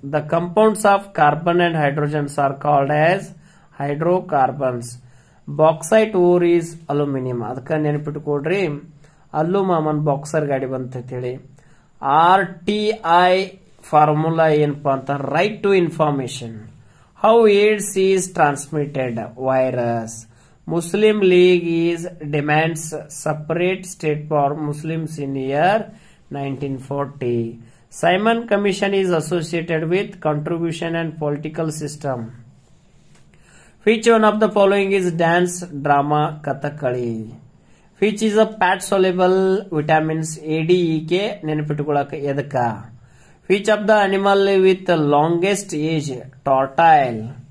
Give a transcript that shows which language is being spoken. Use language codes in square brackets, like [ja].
[en] The compounds of carbon and hydrogen are called as hydrocarbons. Bauxite ore is aluminium. [kn] ಅದಕ್ಕ ನೆನಪಿಟ್ಕೊಳ್ರಿ, aluminium boxer ಗಾಡಿ ಬಂತ ಹೇಳಿ. R T I formula ಏನಪ್ಪ ಅಂತ, right to information. [en] How AIDS is transmitted, virus. Muslim League is demands separate state for Muslims in year 1940. Simon Commission is associated with contribution and political system. Which one of the following is dance, drama, Kathakali? Which is a fat soluble vitamins A, D, E, K? [kn] Nenipittukolakke edaka. [en] Which of the animal with the longest age? Tortoise.